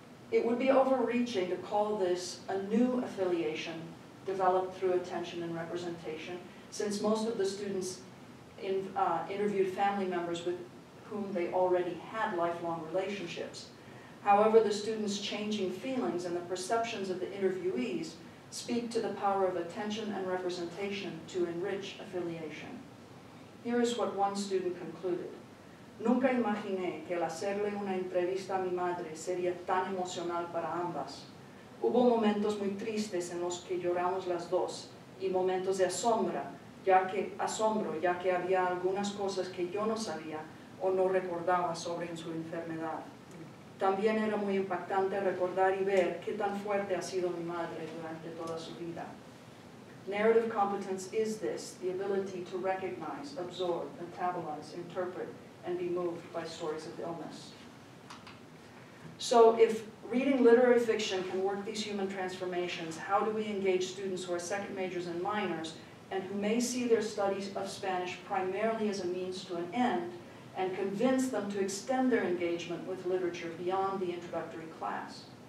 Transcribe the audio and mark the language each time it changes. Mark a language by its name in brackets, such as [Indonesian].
[English] It would be overreaching to call this a new affiliation developed through attention and representation, since most of the students interviewed family members with whom they already had lifelong relationships. However, the students' changing feelings and the perceptions of the interviewees speak to the power of attention and representation to enrich affiliation. Here is what one student concluded. [Spanish] Nunca imaginé que el hacerle una entrevista a mi madre sería tan emocional para ambas. Hubo momentos muy tristes en los que lloramos las dos y momentos de asombro, ya que había algunas cosas que yo no sabía o no recordaba sobre su enfermedad. También era muy impactante recordar y ver qué tan fuerte ha sido mi madre durante toda su vida. [English] Narrative competence is this, the ability to recognize, absorb, metabolize, interpret, and be moved by stories of illness. So if reading literary fiction can work these human transformations, how do we engage students who are second majors and minors and who may see their studies of Spanish primarily as a means to an end and convince them to extend their engagement with literature beyond the introductory class?